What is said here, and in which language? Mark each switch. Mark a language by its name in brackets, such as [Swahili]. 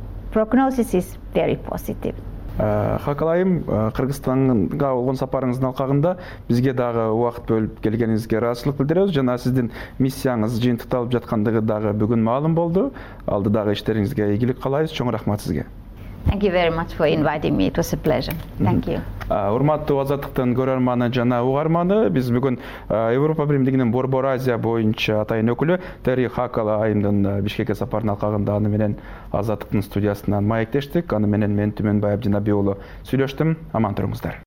[English] Prognosis is very positive. [Kyrgyz] Хакалайым, Кыргызстанга болгон сапарыңыздын алкагында бизге дагы убакыт бөлүп келгениңизге ыраазычылык билдиребиз жана сиздин миссияңыз жыйынтыкталып жаткандыгы дагы бүгүн маалым болду. Алдыдагы иштериңизге ийгилик каалайбыз. Чоң рахмат сизге. [English] Thank you very much for inviting me. It was a pleasure. Thank you. [Kyrgyz] Урматтуу азаттыктын көрөрманы жана угарманы, биз бүгүн Европа Биримдигинин Борбор Азия боюнча атайын өкүлү Тери Хакалайымдын Бишкекке сапарын алкагында аны менен азаттыктын студиясынан маектештик. Аны менен мен Түмөнбаев Динаби уулу сүйлөштүм. Аман туруңуздар.